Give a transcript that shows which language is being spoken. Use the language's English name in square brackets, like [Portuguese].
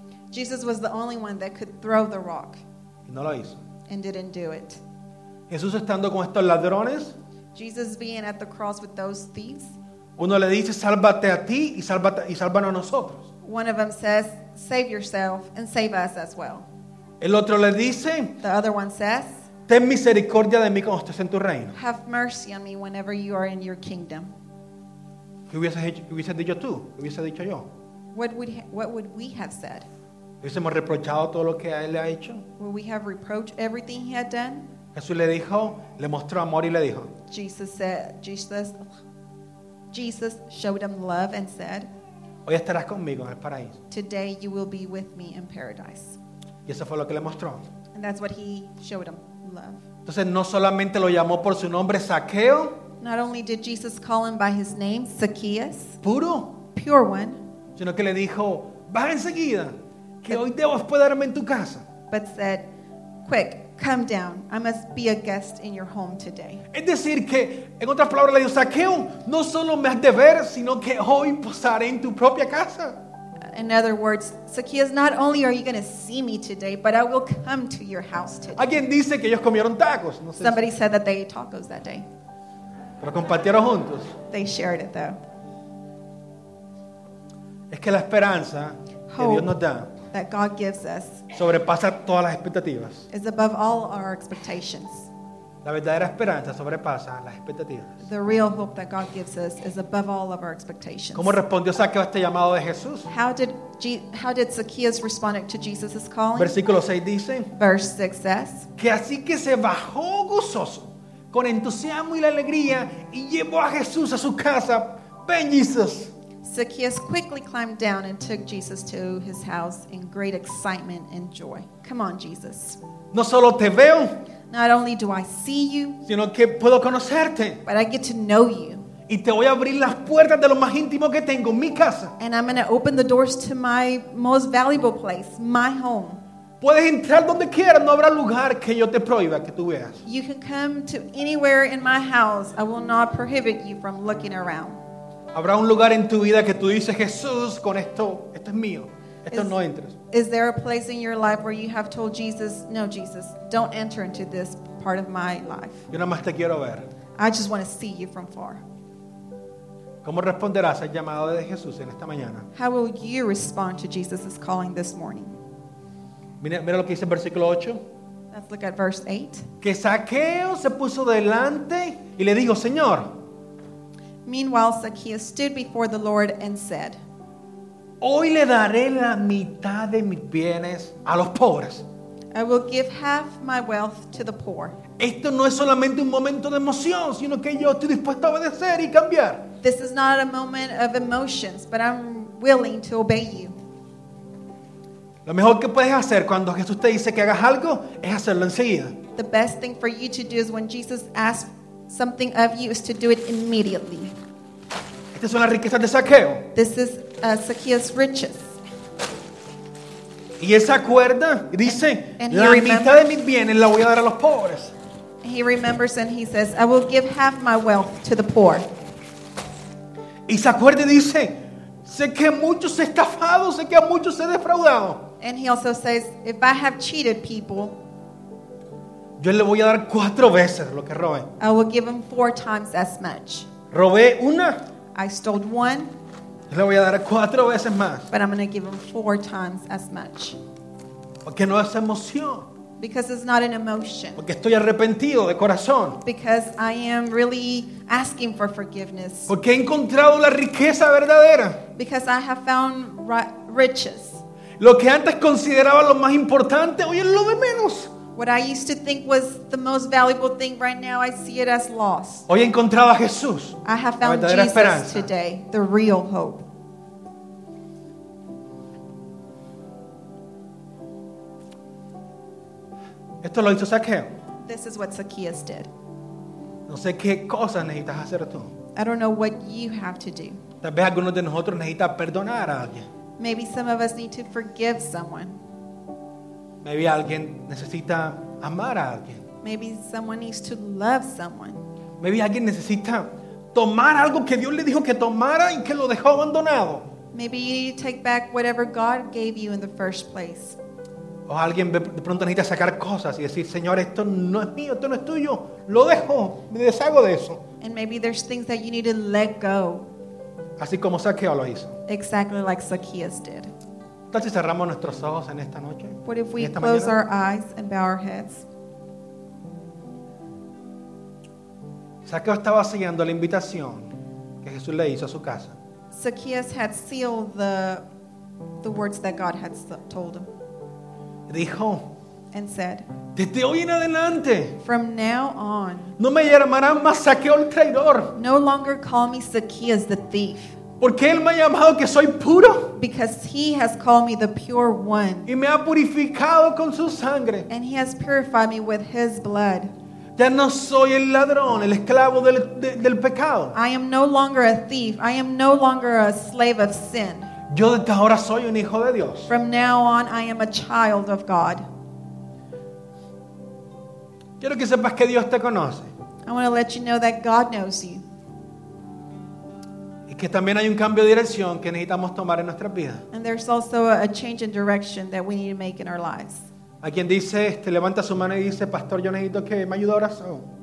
[English] Jesus was the only one that could throw the rock. [Spanish] Y no lo hizo. [English] And didn't do it. [Spanish] Jesús estando con estos ladrones. [English] Jesus being at the cross with those thieves. [Spanish] Uno le dice, sálvate a ti y sálvate y sálvanos a nosotros. [English] One of them says, save yourself and save us as well. [Spanish] El otro le dice, [English] the other one says, [Spanish] ten misericordia de mí cuando estés en tu reino. [English] Have mercy on me whenever you are in your kingdom. [Spanish] ¿Qué hubiese dicho tú? ¿Qué hubiese dicho yo? [English] What would we have said? [Spanish] ¿Hubiésemos reprochado todo lo que a él le ha hecho? [English] Would we have reproached everything he had done? [Spanish] Jesús le dijo, le mostró amor y le dijo. [English] Jesus showed him love and said, [Spanish] hoy estarás conmigo en el paraíso. [English] Today you will be with me in paradise. [Spanish] Y eso fue lo que le mostró. [English] And that's what he showed him, love. [Spanish] Entonces no solamente lo llamó por su nombre Zaqueo. [English] Not only did Jesus call him by his name, Zacchaeus. [Spanish] Puro. [English] Pure one. [Spanish] Sino que le dijo, baja enseguida, que hoy debo hospedarme en tu casa. [English] But said, quick, come down. I must be a guest in your home today. [Spanish] Es decir que, en otras palabras, le dijo, Zaqueo, no solo me has de ver, sino que hoy posaré en tu propia casa. [English] In other words, Zacchaeus, not only are you going to see me today, but I will come to your house today. [Spanish] Alguien dice que ellos comieron tacos. No sé. [English] Somebody said that they ate tacos that day. [Spanish] Pero compartieron juntos. [English] They shared it though. [Spanish] Es que la esperanza [English] hope [Spanish] que Dios nos da [English] that God gives us [Spanish] sobrepasa todas las expectativas. [English] Is above all our expectations. [Spanish] La verdadera esperanza sobrepasa las expectativas. [English] The real hope that God gives us is above all of our expectations. [Spanish] ¿Cómo respondió Zaqueo a este llamado de Jesús? [English] How did Zacchaeus respond to Jesus' calling? [Spanish] Versículo 6 dice. [English] Verse 6 says. [Spanish] Que así que se bajó gozoso con entusiasmo y la alegría y llevó a Jesús a su casa. Ven, Jesús. [English] Zacchaeus quickly climbed down and took Jesus to his house in great excitement and joy. Come on, Jesus. [Spanish] No solo te veo. [English] Not only do I see you. [Spanish] Sino que puedo conocerte. [English] But I get to know you. [Spanish] Y te voy a abrir las puertas de lo más íntimo que tengo, mi casa. [English] And I'm going to open the doors to my most valuable place, my home. [Spanish] Puedes entrar donde quieras, no habrá lugar que yo te prohíba que tú veas. [English] You can come to anywhere in my house. I will not prohibit you from looking around. [Spanish] Habrá un lugar en tu vida que tú dices, Jesús, con esto, esto es mío. Esto no entres. [English] Is there a place in your life where you have told Jesus, no, Jesus, don't enter into this part of my life. [Spanish] Yo nada más te quiero ver. [English] I just want to see you from far. [Spanish] ¿Cómo responderás al llamado de Jesús en esta mañana? [English] How will you respond to Jesus' calling this morning? [Spanish] Mira lo que dice el versículo 8. [English] Let's look at verse 8. [Spanish] Que Zaqueo se puso delante y le dijo, Señor. [English] Meanwhile, Zacchaeus stood before the Lord and said, [Spanish] hoy le daré la mitad de mis bienes a los pobres. [English] I will give half my wealth to the poor. [Spanish] Esto no es solamente un momento de emoción, sino que yo estoy dispuesto a obedecer y cambiar. [English] This is not a moment of emotions, but I'm willing to obey you. [Spanish] Lo mejor que puedes hacer cuando Jesús te dice que hagas algo es hacerlo enseguida. [English] The best thing for you to do is when Jesus asks something of you is to do it immediately. [Spanish] Estas son las riquezas de Zaqueo. [English] This is Zacchaeus' riches. [Spanish] Y él se acuerda y dice, la mitad de mis bienes la voy a dar a los pobres. [English] He remembers and he says, I will give half my wealth to the poor. [Spanish] Y se acuerda y dice, sé que muchos he estafado, sé que a muchos he defraudado. [English] And he also says, if I have cheated people, [Spanish] yo le voy a dar cuatro veces lo que robé. [English] I will give him four times as much. [Spanish] Robé una. [English] I stole one. [Spanish] Le voy a dar cuatro veces más. [English] But I'm going to give him four times as much. [Spanish] Porque no es emoción. [English] Because it's not an emotion. [Spanish] Porque estoy arrepentido de corazón. [English] Because I am really asking for forgiveness. [Spanish] Porque he encontrado la riqueza verdadera. [English] Because I have found riches. [Spanish] Lo que antes consideraba lo más importante, hoy es lo de menos. [English] What I used to think was the most valuable thing right now, I see it as loss. [Spanish] Hoy he encontrado a Jesús. [English] I have found Jesus [Spanish] esperanza. [English] Today, the real hope. [Spanish] Esto lo hizo Zaqueo. [English] This is what Zacchaeus did. [Spanish] No sé qué cosas necesitas hacer tú. [English] I don't know what you have to do. [Spanish] Tal vez algunos de nosotros necesitan perdonar a alguien. [English] Maybe some of us need to forgive someone. Maybe [Spanish] alguien necesita amar a alguien. [English] Maybe someone needs to love someone. Maybe [Spanish] alguien necesita tomar algo que Dios le dijo que tomara y que lo dejó abandonado. [English] Maybe you need to take back whatever God gave you in the first place. [Spanish] O alguien de pronto necesita sacar cosas y decir, Señor, esto no es mío, esto no es tuyo, lo dejo, me deshago de eso. [English] And maybe there's things that you need to let go. [Spanish] Así como Zaqueo lo hizo. [English] Exactly like Zacchaeus did. [Spanish] Entonces cerramos nuestros ojos en esta noche. [English] What if we close our eyes and bow our heads? [Spanish] Zaqueo estaba sellando la invitación que Jesús le hizo a su casa. [English] Zacchaeus had sealed the words that God had told him. [Spanish] Dijo. [English] And said. [Spanish] Desde hoy en adelante. [English] From now on. [Spanish] No me llamarán más Zaqueo el traidor. [English] No longer call me Zacchaeus the thief. [Spanish] Porque él me ha llamado que soy puro. [English] Because he has called me the pure one. [Spanish] Y me ha purificado con su sangre. [English] And he has purified me with his blood. [Spanish] Ya no soy el ladrón, el esclavo del pecado. [English] I am no longer a thief. I am no longer a slave of sin. [Spanish] Yo desde ahora soy un hijo de Dios. [English] From now on, I am a child of God. [Spanish] Quiero que sepas que Dios te conoce. [English] I want to let you know that God knows you. [Spanish] Y que también hay un cambio de dirección que necesitamos tomar en nuestras vidas. [English] And there's also a change in direction that we need to make in our lives. [Spanish] A quien dice, levanta su mano y dice, Pastor, yo necesito que me ayude a oración.